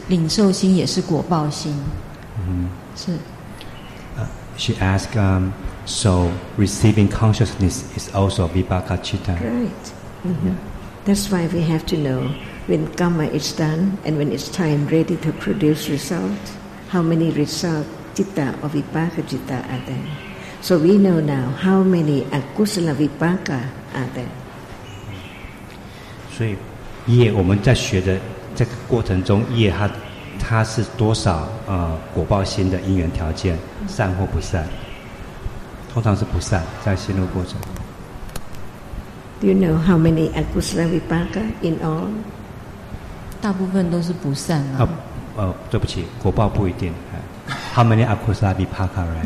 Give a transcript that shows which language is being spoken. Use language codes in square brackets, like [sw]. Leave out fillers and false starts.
[zh] 所以领受心也是果报心。是。 [en] She asked, so receiving consciousness is also vipaka citta. Right. Mm-hmm. That's why we have to know when karma is done and when it's time ready to produce result, how many result citta or vipaka citta are there. So we know now how many akusala vipaka are there. [zh] 所以业我们在学的这个过程中业它 它是多少果报心的因缘条件，善或不善？通常是不善，在心路过程。 [en] Do you know how many akusala vipaka in all? [zh] 大部分都是不善啊。对不起，果报不一定。 [en] How many akusala vipaka, right?